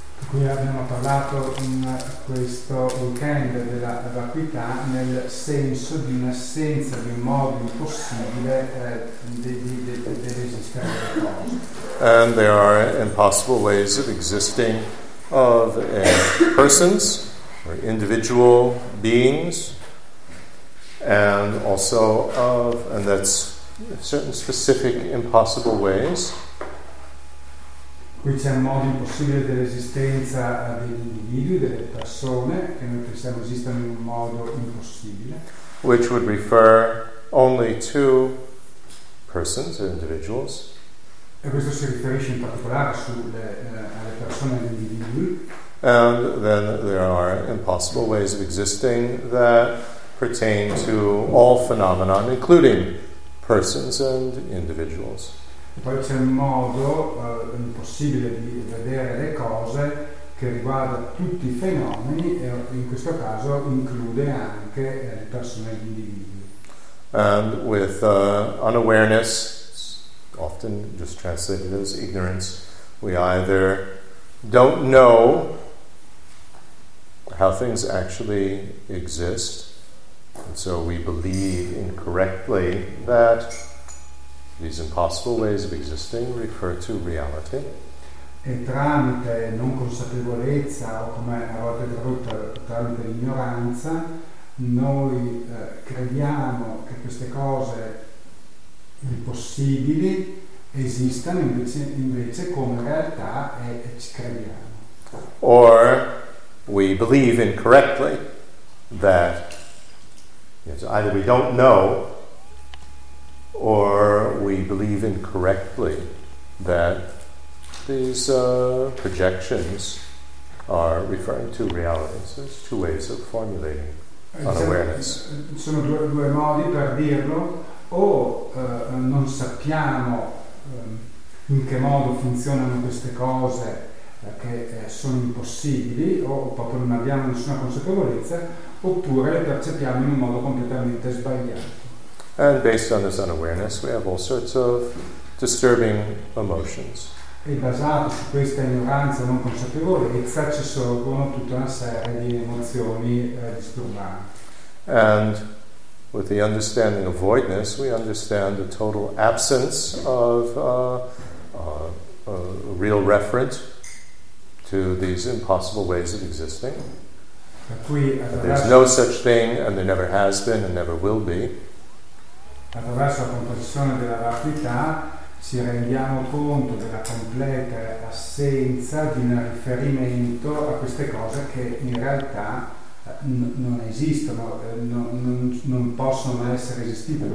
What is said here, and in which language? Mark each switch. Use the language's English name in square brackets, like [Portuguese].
[Italian] Qui abbiamo parlato in questo weekend della vacuità nel senso di un'assenza di un modo impossibile dell'esistere delle cose. [English] And there are impossible ways of existing of persons or individual beings, and also of, and that's certain specific impossible ways. [Italian] Qui c'è un modo impossibile dell'esistenza degli individui, delle persone, che noi pensiamo esistano in un modo impossibile. [English] Which would refer only to persons or individuals. [Italian] E questo si riferisce in particolare sulle alle persone e agli individui. [English] And then there are impossible ways of existing that pertain to all phenomena, including persons and individuals. [Italian] Poi c'è un modo impossibile di vedere le cose che riguarda tutti i fenomeni e in questo caso include anche le persone e gli individui. [English] And with unawareness, often just translated as ignorance, we either don't know how things actually exist, and so we believe incorrectly that these impossible ways of existing refer to reality. [Italian] E tramite non consapevolezza, o come a volte tradotto tramite ignoranza, noi crediamo che queste cose impossibili esistano invece come realtà e ci crediamo. [English] Or we believe incorrectly that, you know, either we don't know or we believe incorrectly that these projections are referring to reality. So there's two ways of formulating unawareness. [Italian] Sono due modi per dirlo. Non sappiamo in che modo funzionano queste cose che sono impossibili, o proprio non abbiamo nessuna consapevolezza, oppure le percepiamo in un modo completamente sbagliato. [English] And based on this unawareness, we have all sorts of disturbing emotions. [Italian] E basato su questa ignoranza, non consapevolezza, ci sorgono tutta una serie di emozioni disturbanti. [English] And with the understanding of voidness, we understand the total absence of a real reference to these impossible ways of existing. There's no such thing, and there never has been, and never will be. [Italian] Attraverso la comprensione della vacuità ci rendiamo conto della completa assenza di un riferimento a queste cose che in realtà non esistono, non possono essere esistite.